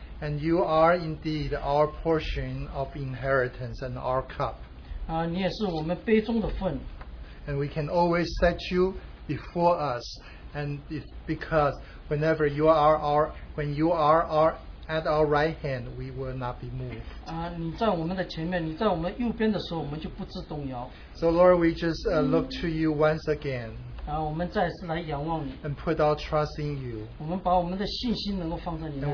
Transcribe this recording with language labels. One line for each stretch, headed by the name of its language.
English: And you are indeed our portion of inheritance and our cup.
Chinese: 你也是我们杯中的份。
English: And we can always set you before us, and because whenever you are our, when you are our at our right hand, we will not be moved.
Chinese: 你在我们的前面，你在我们右边的时候，我们就不致动摇。
English: So Lord, we just look to you once again.
Chinese: 我们再次来仰望你。
English: And put our trust in you.
Chinese: 我们把我们的信心能够放在你那里。